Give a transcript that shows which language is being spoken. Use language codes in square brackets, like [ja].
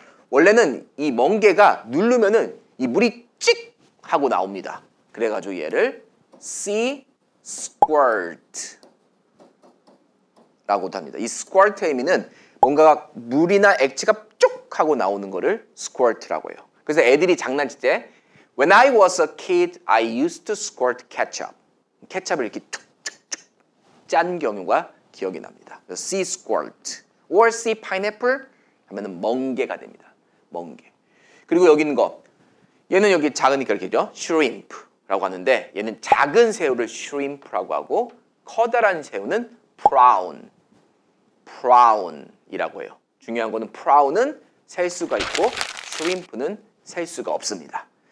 [ko] 원래는 이 멍게가 누르면은 이 물이 찍 하고 나옵니다. 그래가지고 얘를 sea squirt 라고도 합니다. 이 squirt의 의미는 뭔가가 물이나 액체가 쭉 하고 나오는 거를 squirt라고 해요. 그래서 애들이 장난칠 때 [en] When I was a kid, I used to squirt ketchup. [ko] 케첩을 이렇게 툭툭툭 짠 경우가 기억이 납니다. sea squirt or sea pineapple 하면 멍게가 됩니다. 멍게. 그리고 여기 있는 거 얘는 여기 작으니까 이렇게 되죠? shrimp 라고 하는데 얘는 작은 새우를 shrimp라고 하고 커다란 새우는 prawn. prawn이라고 해요. 중요한 거는 prawn은 셀 수가 있고 shrimp는 셀 수가 없습니다.